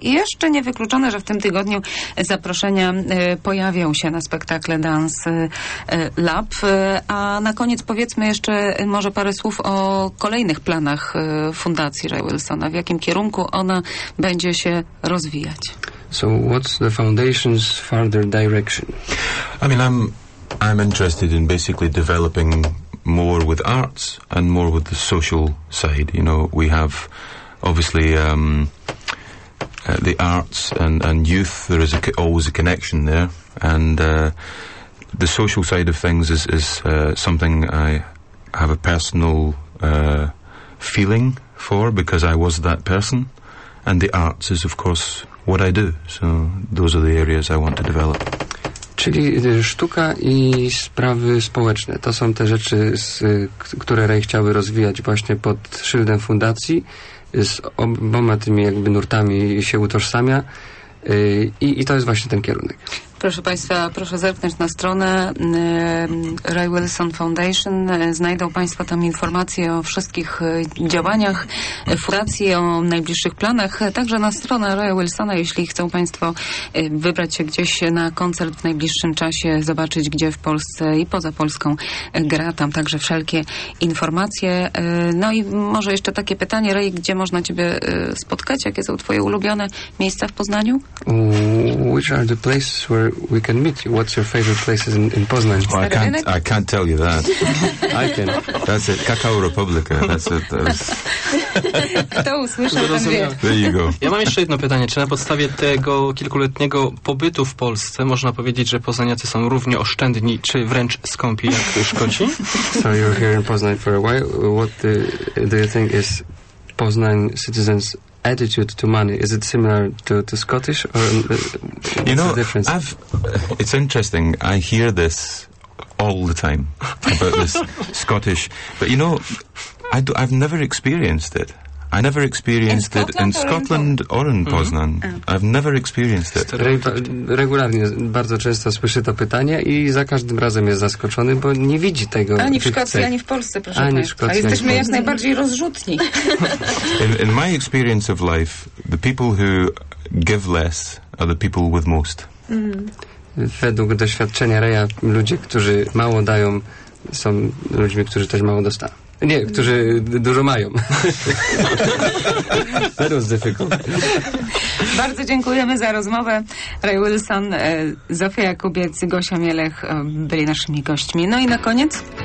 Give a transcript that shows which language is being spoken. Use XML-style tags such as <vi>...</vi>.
<pl>I jeszcze niewykluczone, że w tym tygodniu zaproszenia pojawią się na spektakle Dance Lab. A na koniec powiedzmy jeszcze może parę słów o kolejnych planach Fundacji Ray Wilsona. W jakim kierunku ona będzie się rozwijać?</pl> <en>So what's the foundation's further direction? I mean, I'm interested in basically developing more with arts and more with the social side. You know, we have obviously the arts and youth, there is always a connection there. And the social side of things is something I have a personal feeling for, because I was that person, and the arts is of course what I do, so those are the areas I want to develop.</en> <pl>Czyli sztuka i sprawy społeczne, to są te rzeczy, które Ray chciałby rozwijać właśnie pod szyldem fundacji, z oboma tymi jakby nurtami się utożsamia. I to jest właśnie ten kierunek. Proszę Państwa, proszę zerknąć na stronę Ray Wilson Foundation. Znajdą Państwo tam informacje o wszystkich działaniach fundacji, o najbliższych planach. Także na stronę Raya Wilsona, jeśli chcą Państwo wybrać się gdzieś na koncert w najbliższym czasie, zobaczyć, gdzie w Polsce i poza Polską gra. Tam także wszelkie informacje. No i może jeszcze takie pytanie. Ray, gdzie można Ciebie spotkać? Jakie są Twoje ulubione miejsca w Poznaniu?</pl> <en>Which are the places where we can meet you? What's your favorite places in Poznań? Well, I can't tell you that. I can. That's it. Kakao Republika. That's it.</en> <pl>Kto usłyszał, ten wie.</pl> <en>There you go.</en> <pl>Ja mam jeszcze jedno pytanie. Czy na podstawie tego kilkuletniego pobytu w Polsce można powiedzieć, że Poznaniacy są równie oszczędni, czy wręcz skąpi, jak Szkoci?</pl> <en>So you're here in Poznań for a while. What do you think is Poznań citizens' attitude to money? Is it similar to Scottish, or you know, the difference? It's interesting. I hear this all the time about this Scottish, but you know, I've never experienced it. I never experienced it in Scotland or in Poznań. Mm-hmm. I've never experienced it.</en> <pl>Regularnie, bardzo często słyszę to pytanie i za każdym razem jest zaskoczony, bo nie widzi tego. Ani w Szkocji, ani w Polsce, proszę ani w Szkocji, a jesteśmy jak najbardziej rozrzutni.</pl> <en>In my experience of life, the people who give less are the people with most.</en> <pl>Według doświadczenia Raya, ludzie, którzy mało dają, są ludźmi, którzy też mało dostają. Nie, którzy dużo mają.</pl> <en>That was difficult.</en> <pl>Bardzo dziękujemy za rozmowę. Ray Wilson, Zofia Jakubiec, Gosia Mielech byli naszymi gośćmi. No i na koniec</pl>